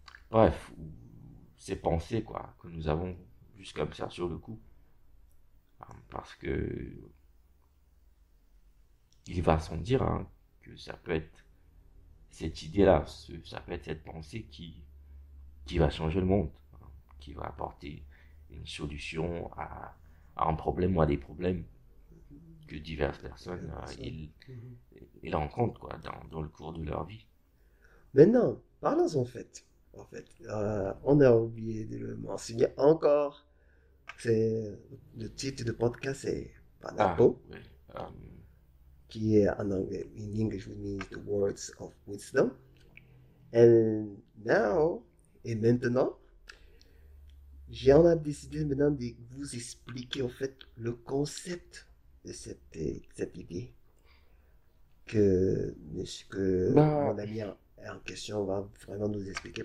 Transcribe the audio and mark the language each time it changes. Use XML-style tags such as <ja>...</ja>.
<fr>bref, ou ces pensées quoi que nous avons juste comme ça sur le coup, parce que il va sans dire hein, que ça peut être cette idée-là, ça peut être cette pensée qui va changer le monde, hein, qui va apporter une solution à un problème ou à des problèmes que diverses personnes ils rencontrent quoi dans le cours de leur vie. Maintenant, parlons en fait, on a oublié de le mentionner encore. C'est le titre de podcast, c'est Panapo, qui est en anglais.</fr> <en>In English, it means the words of wisdom.</en> <fr>Et maintenant, j'ai décidé maintenant de vous expliquer en fait le concept. cette idée que mon ami en question va vraiment nous expliquer.</fr>